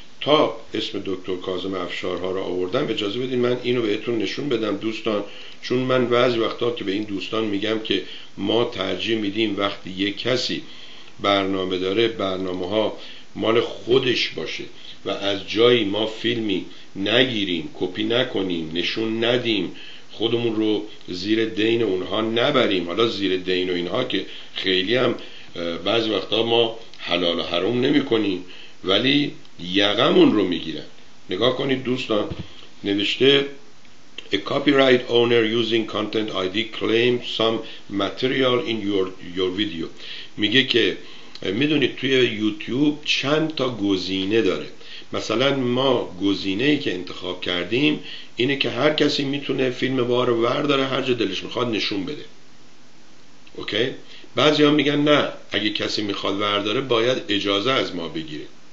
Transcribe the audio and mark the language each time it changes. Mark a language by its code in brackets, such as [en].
[fa] تا اسم دکتر کاظم افشارها را آوردم اجازه بدین من اینو بهتون نشون بدم دوستان، چون من بعضی وقتا که به این دوستان میگم که ما ترجیح میدیم وقتی یک کسی برنامه داره برنامه ها مال خودش باشه و از جایی ما فیلمی نگیریم، کپی نکنیم، نشون ندیم، خودمون رو زیر دین اونها نبریم. حالا زیر دین و اینها که خیلی هم بعضی وقتا ما حلال و حرام نمی کنیم، ولی یقمون رو میگیرن. نگاه کنید دوستان، نوشته [en] A copyright owner using content ID claim some material in your video. [fa] میگه که میدونید توی یوتیوب چند تا گزینه داره، مثلا ما گزینه‌ای که انتخاب کردیم اینه که هر کسی میتونه فیلم ما رو برداره هر جا دلش میخواد نشون بده. اوکی؟ بعضی ها میگن نه، اگه کسی میخواد برداره باید اجازه از ما بگیره.